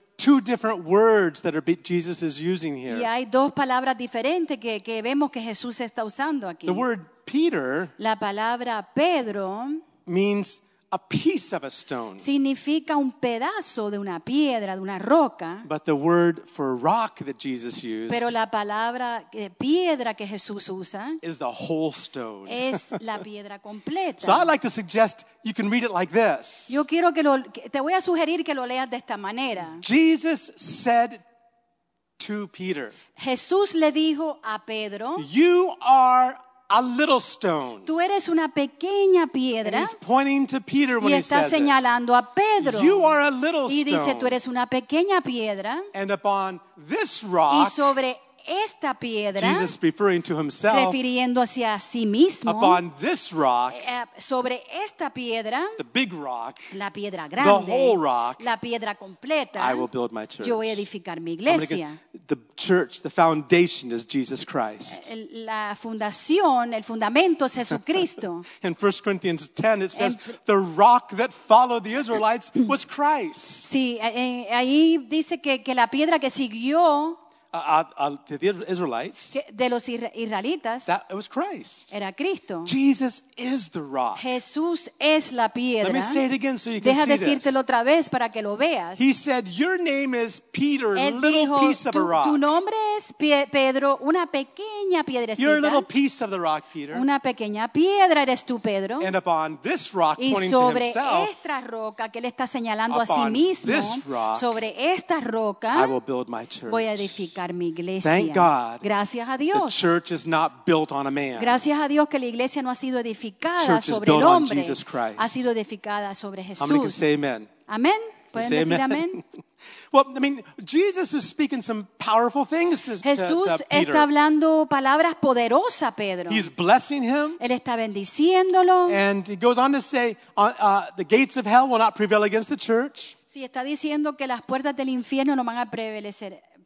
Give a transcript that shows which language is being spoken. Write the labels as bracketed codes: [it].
[en] two different words that are Jesus is using here. [es] Y hay dos palabras diferentes que vemos que Jesús está usando aquí. [en] The word Peter, [es] la palabra Pedro, [en] means a piece of a stone. [es] Significa un pedazo de una piedra, de una roca. [en] But the word for rock that Jesus used, [es] pero la palabra piedra que Jesús usa, [en] is the whole stone. [es] Es la piedra completa. [en] So I'd like to suggest you can read it like this. [es] Yo quiero que lo, te voy a sugerir que lo leas de esta manera. [en] Jesus said to Peter, [es] Jesús le dijo a Pedro, [en] you are a little stone. [es] Tú eres una pequeña piedra. [en] And he's pointing to Peter when he says it. [es] Y está señalando a Pedro. [en] You are a little stone. [es] Y dice, tú eres una pequeña piedra. [en] And upon this rock, [es] y sobre esta piedra, [en] Jesus referring to himself, [es] refiriéndose a sí mismo, [en] upon this rock, [es] sobre esta piedra, [en] the big rock, [es] la piedra grande, [en] the whole rock, [es] la piedra completa, [en] I will build my church. [es] Yo voy a edificar mi iglesia. [en] The church, the foundation is Jesus Christ. [es] La fundación, el fundamento es Jesucristo. [en] In 1 Corinthians 10, it says, the rock that followed the Israelites was Christ. [es] Sí, ahí dice que la piedra que siguió [en] the Israelites, [es] de los israelitas, [en] that it was Christ. [es] Era Cristo. [en] Jesus is the rock. [es] Jesús es la piedra. [en] Let me say it again so you can [es] deja [en] see [es] decírtelo [en] this. [es] Otra vez para que lo veas. [en] He said, your name is Peter, [es] él [en] little [es] dijo, [en] piece of a rock. [es] Tu nombre es Pedro, una pequeña piedrecita. [en] You're a little piece of the rock, Peter. [es] Una pequeña piedra eres tú, Pedro. [en] And upon this rock, [es] y [en] pointing [es] sobre [en] to himself, [es] esta roca que él está señalando a sí mismo, [en] this rock, [es] sobre esta roca, [en] I will build my church. [es] Voy a edificar. [en] Thank God. [es] Gracias a Dios. [en] The church is not built on a man. [es] Gracias a Dios que la iglesia no ha sido edificada sobre el hombre. [en] Jesus Christ. [es] Ha sido edificada sobre Jesús. [en] Can say amen. [es] Amen. Pueden [en] say [es] decir amen. [en] Well, I mean, Jesus is speaking some powerful things to Peter. [es] Jesús está hablando palabras poderosas, Pedro. [en] He's blessing him. [es] Él está bendiciéndolo. [en] And he goes on to say, the gates of hell will not prevail against the church. [es] Sí, está diciendo que las puertas del infierno no van a prevalecer.